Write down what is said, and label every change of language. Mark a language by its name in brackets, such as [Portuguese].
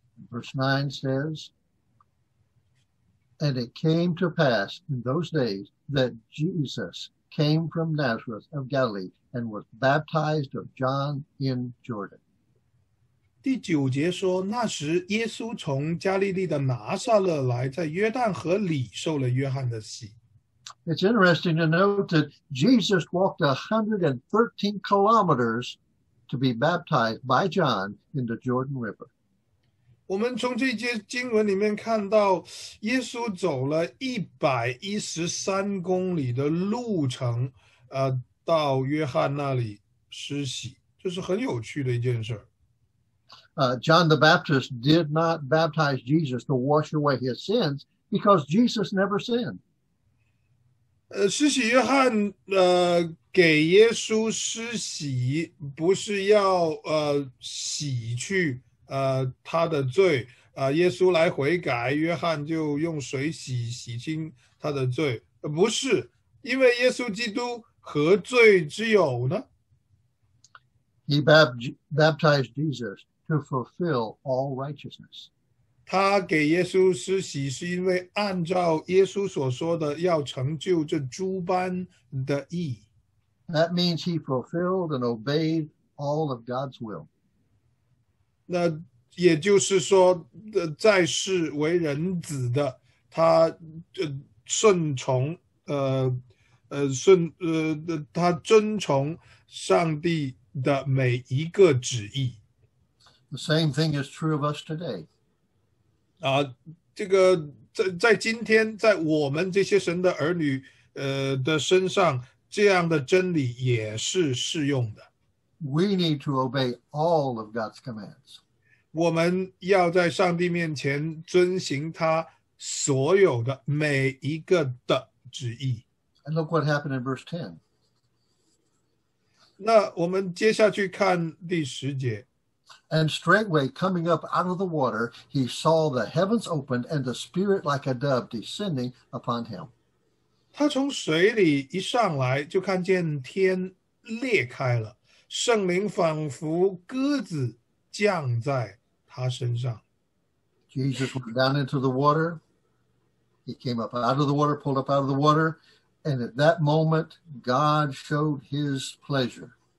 [English] Verse 9 says, And it came to pass in those days that Jesus came from Nazareth of Galilee and was baptized of John in Jordan. [Chinese] 第九节说，那时耶稣从加利利的拿撒勒来，在约旦河里受了约翰的洗。 [English] It's interesting to note that Jesus walked 113 kilometers to be baptized by John in the Jordan River. [Chinese] 我们从这节经文里面看到，耶稣走了113公里的路程，到约翰那里施洗，这是很有趣的一件事。 [English] John the Baptist did not baptize Jesus to wash away his sins because Jesus never sinned. [Chinese] 施洗约翰给耶稣施洗，不是要洗去他的罪，耶稣来悔改，约翰就用水洗清他的罪，不是，因为耶稣基督何罪之有呢？ [English] He baptized Jesus to fulfill all righteousness. [Chinese] 他给耶稣施洗是因为按照耶稣所说的要成就这诸般的义。 [English] That means he fulfilled and obeyed all of God's will. [Chinese] 那也就是说，在世为人子的他，他遵从上帝的每一个旨意。 [English] The same thing is true of us today. [Chinese] 这个在今天，在我们这些神的儿女的身上，这样的真理也是适用的。 [English] We need to obey all of God's commands. [Chinese] 我们要在上帝面前遵行他所有的每一个的旨意。 [English] And look what happened in verse 10. [Chinese] 那我们接下去看第十节。 [English] And straightway coming up out of the water, he saw the heavens opened and the Spirit like a dove descending upon him. [Chinese] 他从水里一上来就看见天裂开了，圣灵仿佛鸽子降在他身上。 [English] Jesus went down into the water. He came up out of the water, pulled up out of the water. And at that moment, God showed his pleasure.